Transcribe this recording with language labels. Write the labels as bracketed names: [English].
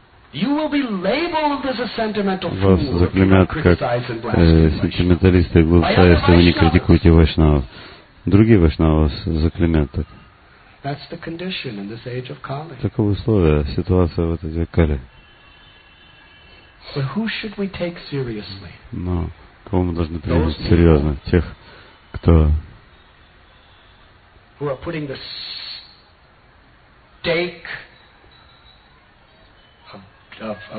[English] You will be labeled as a sentimental fool. [Russian] Вас заклеймят как сентименталиста и глупца, если вы не критикуете вайшнавов. Другие вайшнавы вас заклеймят так. [English] That's the condition in this age of Kali. [Russian] Таково условие, ситуация в этой Кали. [English] But who should we take seriously? [Russian] Но кого мы должны принять серьезно? Тех, кто [English] who are putting the stake of